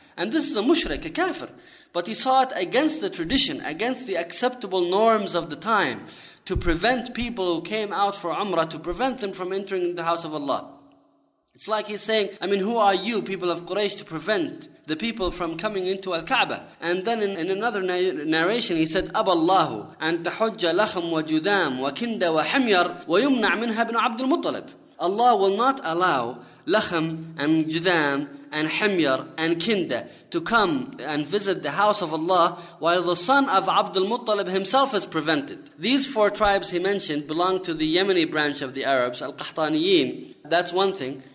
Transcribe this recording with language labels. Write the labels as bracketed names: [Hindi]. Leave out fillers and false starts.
[English] And this is a mushrik, a kafir. But he saw it against the tradition, against the acceptable norms of the time, to prevent people who came out for Umrah, to prevent them from entering the house of Allah. It's like he's saying, I mean, who are you, people of Quraysh, to prevent the people from coming into Al-Kaaba? And then in another narration, he said, [Arabic] أَبَاللَّهُ أَنْ تَحُجَّ لَخَمْ وَجُدَامْ وَكِنْدَ وَحَمْيَرْ وَيُمْنَعْ مِنْهَا بْنُ عَبْدُ الْمُطَلِبِ. [English] Allah will not allow Lakhm and Judam and Himyar and Kinda to come and visit the house of Allah while the son of Abdul Muttalib himself is prevented. These four tribes he mentioned belong to the Yemeni branch of the Arabs, Al-Qahtaniyin. That's one thing.